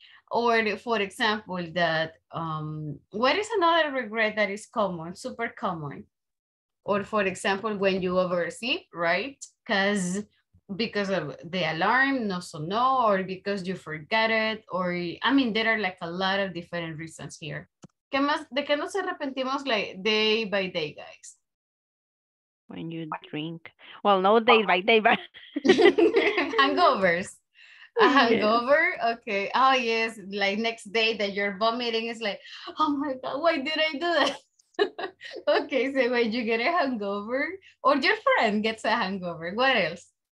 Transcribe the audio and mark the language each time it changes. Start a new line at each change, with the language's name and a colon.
English: Or for example, that, what is another regret that is common, super common? Or for example, when you oversleep, right? Because of the alarm,
Spanish: no sonó,
English: or because you forget it, or, I mean, there are like a lot of different reasons here.
Spanish: ¿Qué más, de qué nos arrepentimos
English: like day by day, guys? When you drink, well, no day by day, but hangovers, a hangover, okay. Oh yes, like next day that you're vomiting, it's like, oh my God, why did I do that? Okay, so when you get a hangover, or your friend gets a hangover, what else?